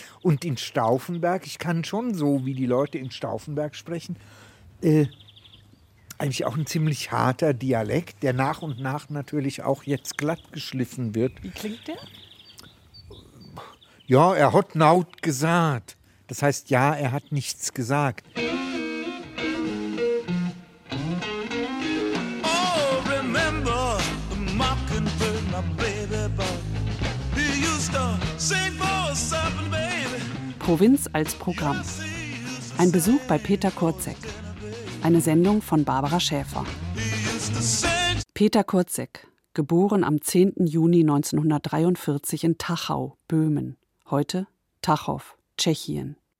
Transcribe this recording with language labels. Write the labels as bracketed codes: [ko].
[de] Und in Stauffenberg, ich kann schon so, wie die Leute in Stauffenberg sprechen, eigentlich auch ein ziemlich harter Dialekt, der nach und nach natürlich auch jetzt glatt geschliffen wird. Wie klingt der? Ja, er hat naut gesagt. Das heißt, ja, er hat nichts gesagt. [en] Oh, remember the mockingbird, my baby. He used to sing for us, baby. [de] Provinz als Programm. Ein Besuch bei Peter Kurzeck. Eine Sendung von Barbara Schäfer. Peter Kurzeck, geboren am 10. Juni 1943 in Tachau, Böhmen, heute Tachow, Tschechien.